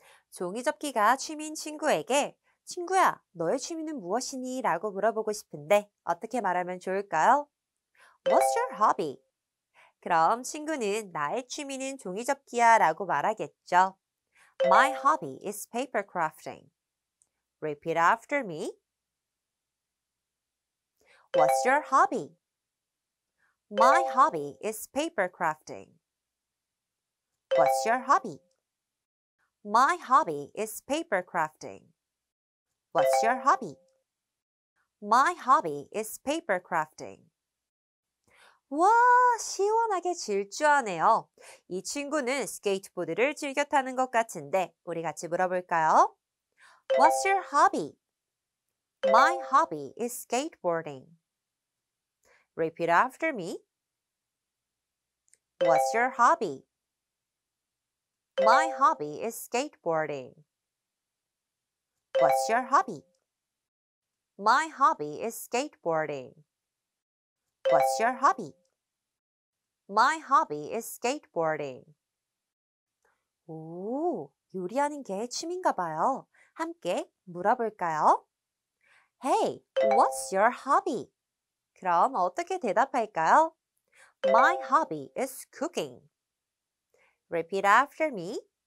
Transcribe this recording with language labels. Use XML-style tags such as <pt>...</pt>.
<ko>종이접기가 취미인 친구에게 친구야, 너의 취미는 무엇이니? 라고 물어보고 싶은데 어떻게 말하면 좋을까요?</ko> <en>What's your hobby?</en> <ko>그럼 친구는 나의 취미는 종이접기야 라고 말하겠죠.</ko> <en>My hobby is paper crafting. Repeat after me. What's your hobby? My hobby is paper crafting. What's your hobby? My hobby is paper crafting. What's your hobby? My hobby is paper crafting.</en> <ko>와, 시원하게 질주하네요. 이 친구는 스케이트보드를 즐겨 타는 것 같은데 우리 같이 물어볼까요?</ko> <en>What's your hobby? My hobby is skateboarding. Repeat after me. What's your hobby? My hobby is skateboarding. What's your hobby? My hobby is skateboarding. What's your hobby? My hobby is skateboarding.</en> <ko>오, 요리하는 게 취미인가 봐요.</ko> <en>함께 물어볼까요? Hey, what's your hobby?</en> <ko>그럼 어떻게 대답할까요?</ko> <en>My hobby is cooking. Repeat after me.</en>